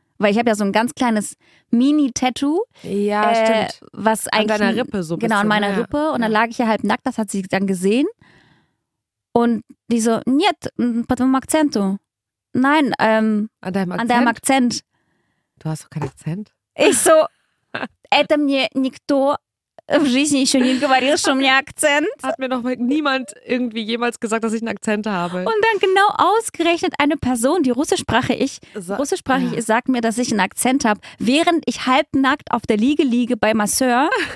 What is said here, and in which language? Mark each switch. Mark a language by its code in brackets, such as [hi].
[de] weil ich habe ja so ein ganz kleines Mini-Tattoo. Ja, stimmt. Was eigentlich an deiner Rippe so bisschen. Genau, an meiner Rippe. Und dann lag ich ja halb nackt, das hat sie dann gesehen. Und die so, niet, mit dem Akzent. Nein, an deinem Akzent? An deinem Akzent. Du hast doch keinen Akzent. Ich so, [ru] это мне никто в жизни еще не говорил, что у меня Akzent. [de] Hat mir noch niemand irgendwie jemals gesagt, dass ich einen Akzent habe. Und dann genau ausgerechnet eine Person, die russischsprachig ist, sagt mir, dass ich einen Akzent habe, während ich halbnackt auf der Liege liege bei Masseur.